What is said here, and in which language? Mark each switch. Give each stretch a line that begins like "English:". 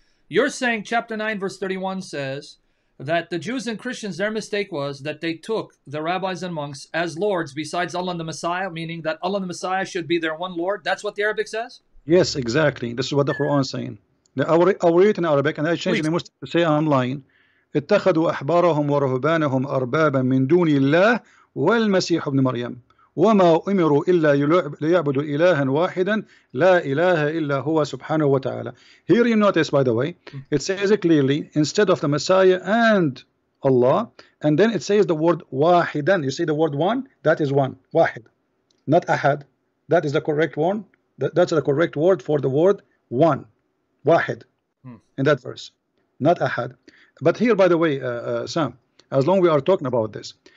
English: You're saying chapter 9, verse 31 says that the Jews and Christians, their mistake was that they took the rabbis and monks as lords besides Allah and the Messiah, meaning that Allah and the Messiah should be their one Lord. That's what the Arabic says? Yes, exactly. This is what the Quran is saying. Now, I'll read it in Arabic and I change the Muslim to say I'm lying.
Arabic: اتخذوا أحبارهم ورهبانهم أربابا من دون الله والمسيح ابن مريم وما أمروا إلا ليعبدوا إلها واحدا لا إله إلا هو سبحانه وتعالى.
English: Here you notice, by the way, it says clearly instead of the Messiah and Allah, and then it says the word واحدا. You see the word one, that is one, واحد, not أحد. That is the correct one. That's the correct word for the word one, واحد, in that verse, not أحد. But here, by the way, Sam, as long as we are talking about this,